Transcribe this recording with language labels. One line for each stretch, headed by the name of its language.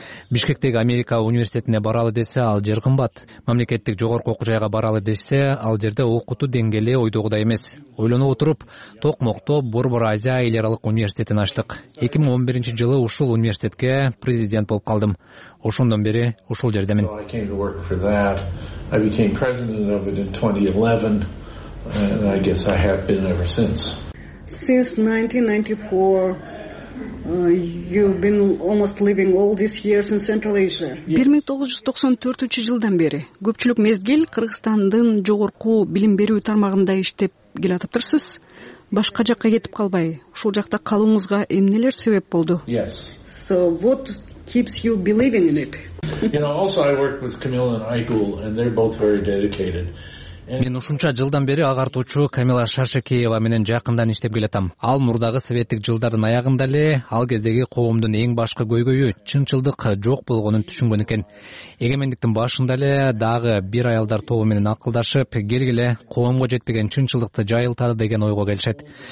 Kyrgyz: Бишкектеги Америка университетине баралы десе, ал жер кымбат. Мамлекеттик жогорку окуу жайга баралы десе, ал жерде окутуу деңгээли ойдогудай эмес. Ойлонуп отуруп, Токмокто Борбор Азия эл аралык университетин ачтык. 2011 жылы ушул университетке президент болуп калдым. Ошондон бери ушул жердемин.
English: And I guess I have been ever since. Since 1994, you've been almost living all these years in Central Asia.
Kyrgyz: 1994 жылдан бери көпчүлүк мезгил Кыргызстандын жогорку билим берүү тармагында иштеп келатыпсыз. Башка жакка кетип калбай, ушул жакта калууңузга эмнелер себеп болду?
English: Yes. So what keeps you believing in it? You know, also I work with Camille and Aigul, and they're both very dedicated.
Kyrgyz: Мен ушунча жылдан бери агартуучу Камила Шаршекеева менен жакындан иштеп келатам. Ал мурдагы советтик жылдардын аягында эле ал кездеги коомдун эң башкы көйгөйү чынчылдык жок болгонун түшүнгөн экен. Эгемендиктин башында эле дагы бир аялдар тобу менен акылдашып, келгиле коомго жетпеген чынчылдыкты жайылтады деген ойго келишет.